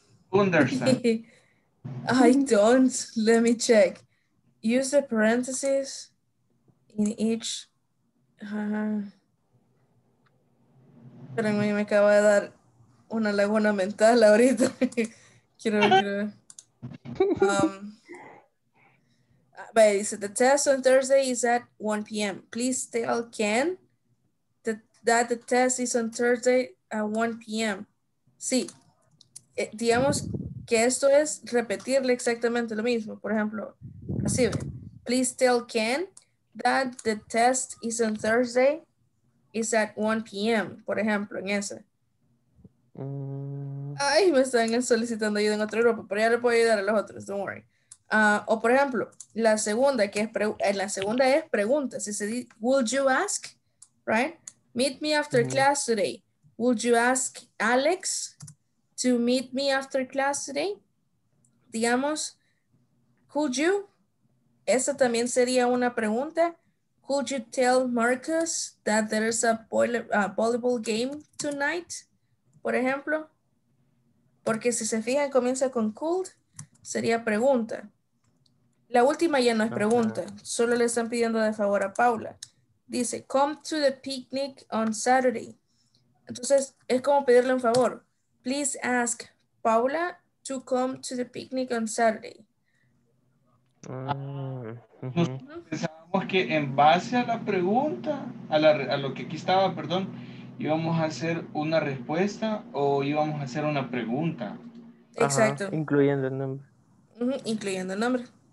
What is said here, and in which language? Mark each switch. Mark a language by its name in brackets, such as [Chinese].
[English] Understand. I don't. Let me check. Use the parentheses in each. [Spanish] Pero a mí me acaba de dar una laguna mental ahorita. Quiero ver, quiero ver. [English] But it says the test on Thursday is at 1 p.m. Please tell Ken that the test is on Thursday at 1 p.m. [Spanish] Sí, digamos que esto es repetirle exactamente lo mismo. Por ejemplo, así ve. [English] Please tell Ken that the test is on Thursday is at 1 p.m. [Spanish] Por ejemplo, en ese. Ay, me están solicitando ayuda en otro grupo, pero ya le puedo ayudar a los otros. [English] Don't worry. [Spanish] O por ejemplo, la segunda, que es la segunda es pregunta. Si se dice, [English] would you ask, right? Meet me after class today. Would you ask Alex to meet me after class today? [Spanish] Digamos, [English] could you? [Spanish] Esa también sería una pregunta. [English] Could you tell Marcus that there is a volleyball game tonight? [Spanish] Por ejemplo, porque si se fijan, comienza con could, sería pregunta. La última ya no es pregunta, solo le están pidiendo de favor a Paula. Dice, [English] come to the picnic on Saturday. [Spanish] Entonces, es como pedirle un favor. [English] Please ask Paula to come to the picnic on Saturday. [Spanish] Pensábamos que en base a la pregunta, a lo que aquí estaba, perdón, íbamos a hacer una respuesta o íbamos a hacer una pregunta. Exacto. Ajá, incluyendo el nombre. Incluyendo el nombre.